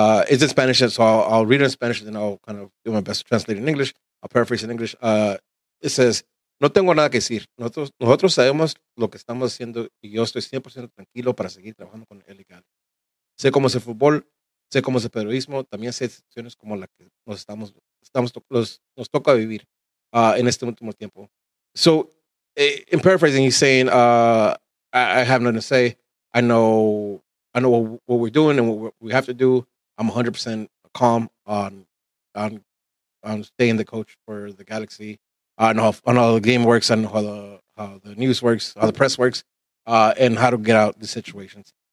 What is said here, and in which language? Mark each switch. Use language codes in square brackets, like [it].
[en] It's in Spanish, so I'll read it in Spanish, and then I'll kind of do my best to translate it in English. I'll paraphrase in English. It says, [es] "No tengo nada que decir. Nosotros sabemos lo que estamos haciendo, y yo estoy 100% tranquilo para seguir trabajando con el legal. Sé cómo es el fútbol, sé cómo es el periodismo, también sé situaciones como la que nos toca vivir en este último tiempo." [en] So, in paraphrasing, he's saying, I have nothing to say. I know what we're doing and what we have to do. I'm 100% calm on staying the coach for the Galaxy. I know how the game works. I know how the news works, how the press works, and how to get out the situations.